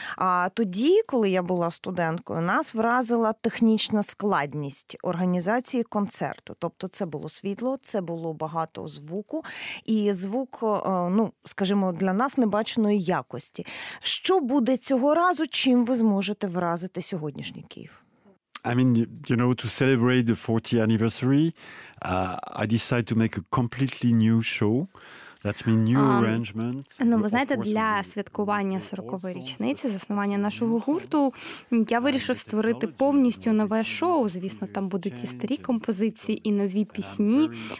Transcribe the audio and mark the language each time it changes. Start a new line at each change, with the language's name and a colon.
Ukrainian: А тоді, коли я була студенткою, нас вразила технічна складність організації концерту. Тобто це було світло, це було багато звуку, і звук, ну, скажімо, для нас небаченої якості. Що буде цього разу, чим ви зможете вразити сьогоднішній Київ?
English: I mean, you know, to celebrate the 40th anniversary, I decided to make a completely new show. That's my new arrangement.
Ukrainian: Ну, ви знаєте, для святкування 40-ї річниці заснування нашого гурту я вирішив створити повністю нове шоу. Звісно, там будуть і старі композиції, і нові пісні.